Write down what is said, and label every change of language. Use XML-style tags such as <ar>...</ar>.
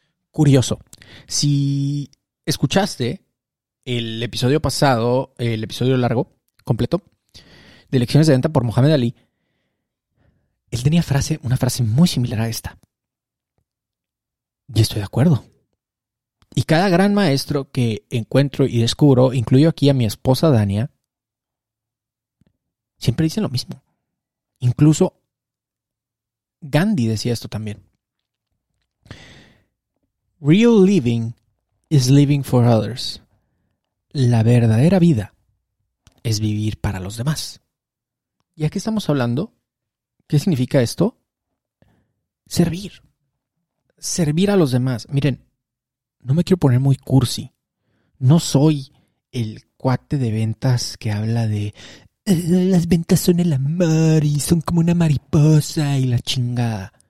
<es>Curioso, si escuchaste el episodio pasado, el episodio largo, completo, de Lecciones de Venta por Muhammad Ali, él tenía una frase muy similar a esta. Y estoy de acuerdo. Y cada gran maestro que encuentro y descubro, incluyo aquí a mi esposa Dania, siempre dicen lo mismo. Incluso Gandhi decía esto también.</es> <en>Real living is living for others.</en> <es>La verdadera vida es vivir para los demás. ¿Y a qué estamos hablando? ¿Qué significa esto? Servir. Servir a los demás. Miren, no me quiero poner muy cursi. No soy el cuate de ventas que habla de las ventas son el amor y son como una mariposa y la chingada.</es>